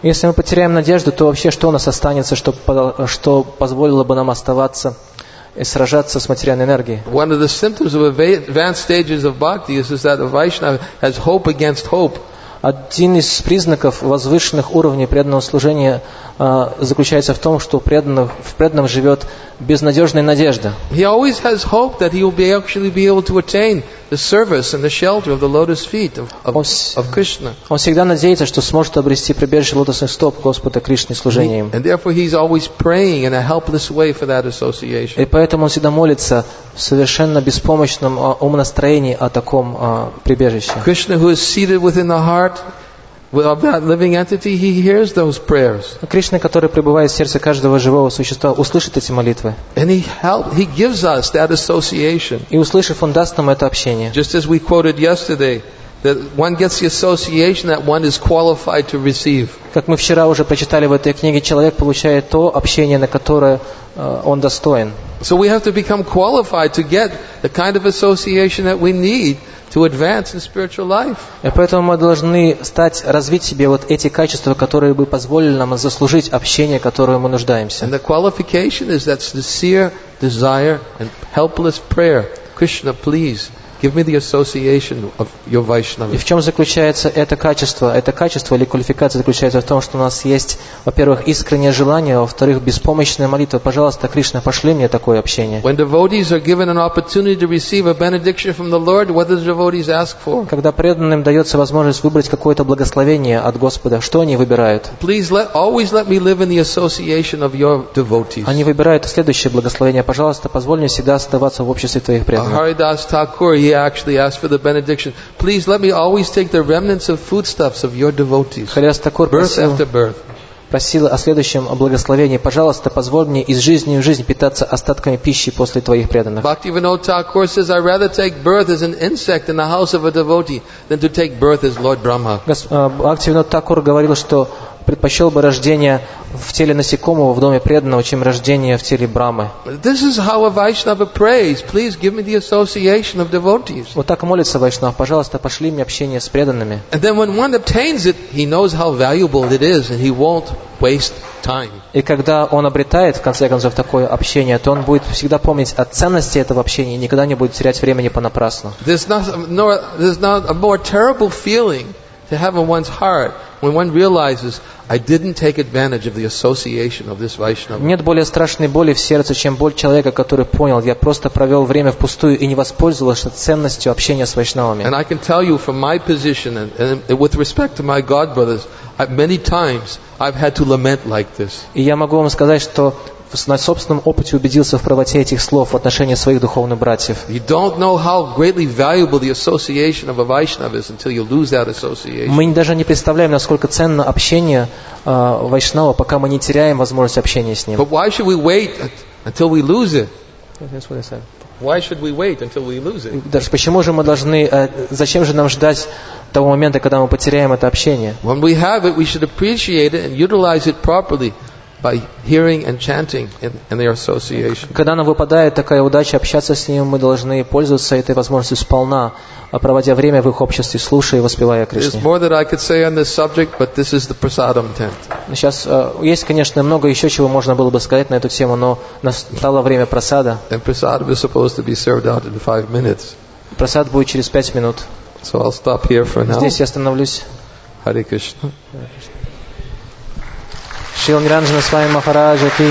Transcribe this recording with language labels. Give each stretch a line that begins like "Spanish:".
Russian: Если мы потеряем надежду, то вообще что у нас останется, что позволило бы нам оставаться и сражаться с материальной энергией?
English: One of the symptoms of advanced stages of bhakti is that a Vaishnava has hope against hope.
Russian: Один из признаков возвышенных уровней преданного служения заключается в том, что в преданном живет безнадежная надежда.
English: He always has hope that he will be actually be able to attain the service and the shelter of the lotus feet of Krishna.
Russian: Он всегда надеется, что сможет обрести прибежище лотосных стоп Господа Кришны служением.
English: And therefore he's always praying in a helpless way for that association.
Russian: И поэтому он всегда молится в совершенно беспомощном умонастроении о таком прибежище.
English: Krishna, who is seated within the heart of that living entity, he hears those prayers.
Russian: Кришна, который пребывает в сердце каждого живого существа, услышит эти молитвы.
English: And he gives us that association.
Russian: И услышав, он даст нам это общение.
English: Just as we quoted yesterday, that one gets the association that one is qualified to receive.
Russian: Как мы вчера уже прочитали в этой книге, человек получает то общение, на которое он достоин.
English: So we have to become qualified to get the kind of association that we need to advance in spiritual life.
Russian: И поэтому мы должны стать, развить себе вот эти качества, которые бы позволили нам заслужить общение, которое мы нуждаемся.
English: And the qualification is that sincere desire and helpless prayer. Krishna, please give me the association of your Vaishnava.
Russian: И в чем заключается это качество? Это качество или квалификация заключается в том, что у нас есть, во-первых, искреннее желание, во-вторых, беспомощная молитва. Пожалуйста, Кришна, пошли мне такое общение.
English: When devotees are given an opportunity to receive a benediction from the Lord, what do the devotees ask for?
Russian: Когда преданным дается возможность выбрать какое-то благословение от Господа, что они выбирают?
English: Please always let me live in the association of your devotees.
Russian: Они выбирают следующее благословение. Пожалуйста, позволь мне всегда оставаться в обществе твоих преданных.
English: Haridas Thakur, he actually asked for the benediction. Please let me always take the remnants of foodstuffs of your devotees. Birth after birth.
Russian: Просил о следующем благословении. Пожалуйста, позволь мне из жизни в жизнь питаться остатками пищи после твоих преданных.
English: Bhaktivinoda Thakur says, I'd rather take birth as an insect in the house of a devotee than to take birth as Lord Brahma.
Russian: Bhaktivinoda Thakur говорил, что предпочел бы рождение в теле насекомого, в доме преданного, чем рождение в теле Брамы.
English: This is how a Vaishnava prays. Please give me the association of devotees.
Russian: Вот так молится Вайшнав. Пожалуйста, пошли мне общение с преданными.
English: And then when one obtains it, he knows how valuable it is, and he won't waste time.
Russian: И когда он обретает, в конце концов, такое общение, то он будет всегда помнить о ценности этого общения и никогда не будет терять времени понапрасну.
English: There's not a more terrible feeling to have in one's heart when one realizes I didn't take advantage of the association of this Vaishnava.
Russian: Нет более страшной боли в сердце, чем боль человека, который понял, я просто провел время впустую и не воспользовался ценностью общения с Вайшнавами.
English: And I can tell you from my position and with respect to my god brothers, many times I've had to lament like this.
Russian: И я могу вам сказать, что на собственном опыте убедился в правоте этих слов в отношении своих духовных братьев.
English: You don't know how greatly valuable the association of a Vaishnava is until you lose that association.
Russian: Мы даже не представляем, насколько ценно общение Вайшнава, пока мы не теряем возможность общения с ним.
English: But why should we wait until we lose it? That's what I said. Why should we wait until we lose it?
Russian: Даже почему же мы должны, зачем же нам ждать того момента, когда мы потеряем это общение?
English: When we have it, we should appreciate it and utilize it properly by hearing and chanting in their association.
Russian: Когда нам выпадает такая удача общаться с ним, мы должны пользоваться этой возможностью сполна, проводя время в их обществе, слушая и воспевая Кришне.
English: There's more that I could say on this subject, but this is the prasadam tent.
Russian: Сейчас есть, конечно, много еще чего можно было бы сказать на эту тему, но настало время прасада.
English: And prasadam is supposed to be served out in 5 minutes.
Russian: Прасад будет через 5 минут.
English: So I'll stop here for now.
Russian: Здесь я остановлюсь.
English: Hare Krishna.
Russian: Шрила Ниранджана с вами Махараджа.